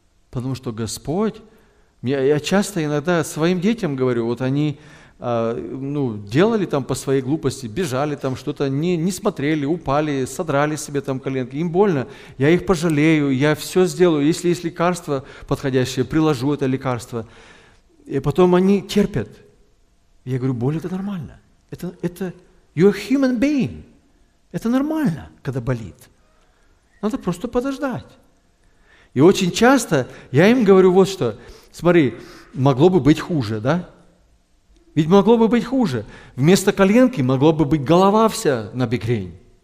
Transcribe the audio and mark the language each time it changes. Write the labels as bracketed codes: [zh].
[ru] Потому что Господь, я часто иногда своим детям говорю, вот они ну, делали там по своей глупости, бежали там, что-то не смотрели, упали, содрали себе там коленки, им больно. Я их пожалею, я все сделаю, если есть лекарство подходящее, приложу это лекарство. И потом они терпят. Я говорю, боль – это нормально. Это [en] you're a human being. [ru] Это нормально, когда болит. Надо просто подождать. И очень часто я им говорю вот что. Смотри, могло бы быть хуже, да? Ведь могло бы быть хуже. Вместо коленки могло бы быть голова вся на бекрень.